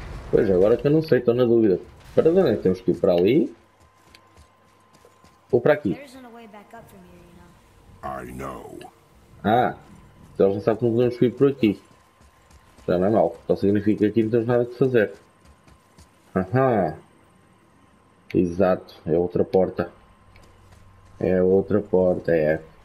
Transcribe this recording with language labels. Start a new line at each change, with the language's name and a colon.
Portuguese: Pois agora que eu não sei, estou na dúvida. Para onde é que temos que ir? Para ali? Ou para aqui?
English: There isn't a way back up from here, you know. I know. Ah!
Portuguese: Então já sabe que não podemos ir por aqui. Já não é mal. Então significa que aqui não temos nada que fazer. Aham! Exato, é outra porta. É outra porta, é.